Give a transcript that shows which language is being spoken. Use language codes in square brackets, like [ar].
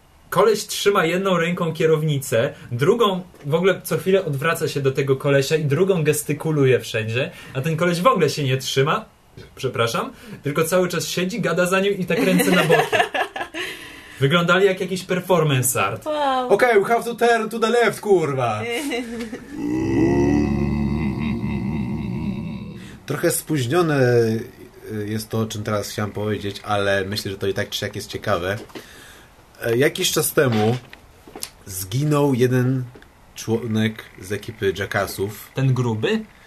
[pl] koleś trzyma jedną ręką kierownicę, drugą w ogóle co chwilę odwraca się do tego kolesia i drugą gestykuluje wszędzie, a ten koleś w ogóle się nie trzyma, przepraszam, tylko cały czas siedzi, gada za nim i tak ręce na boki. Wyglądali jak jakiś performance art. [en] Wow. Okej, okay, we have to turn to the left, kurwa. [pl] Trochę spóźnione jest to, o czym teraz chciałem powiedzieć, ale myślę, że to i tak czy siak jest ciekawe. Jakiś czas temu zginął jeden członek z ekipy Jackassów. Ten gruby?